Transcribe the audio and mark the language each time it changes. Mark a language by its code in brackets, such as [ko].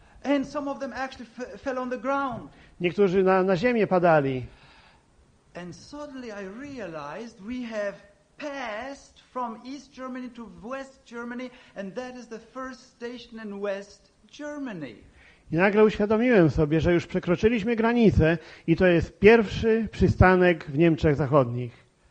[en] And some of them actually fell on the ground. [pl] Niektórzy na ziemię padali. [en] And suddenly I realized we have passed from East Germany to West Germany, and that is the first station in West Germany. [pl] I nagle uświadomiłem sobie, że już przekroczyliśmy granicę i to jest pierwszy przystanek w Niemczech Zachodnich.